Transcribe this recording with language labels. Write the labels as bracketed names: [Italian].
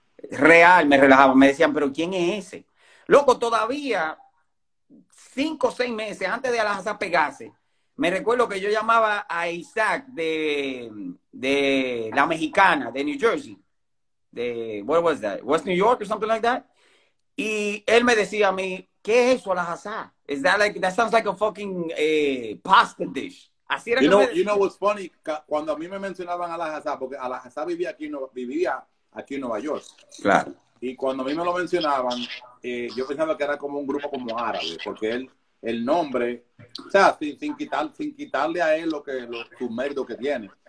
[Spanish] Real, me relajaban, me decían, pero ¿quién es ese? Loco, todavía 5 o 6 meses antes de a la jazá pegase. Me recuerdo que yo llamaba a Isaac de la mexicana, de New Jersey. De, [English] what was that? West New York or something like that? [Spanish] Y él me decía a mí, ¿qué es eso, la jazá? [English] Is that like, that sounds like a fucking pasta dish. [Spanish] Así era, [English] you know, you know what's funny? [Spanish] Cuando a mí me mencionaban a la jazá, porque a la jazá vivía aquí en Nueva York. Claro. Y cuando a mí me lo mencionaban, yo pensaba que era como un grupo como árabe, porque él... el nombre, o sea, sin quitarle a él su mérito que tiene.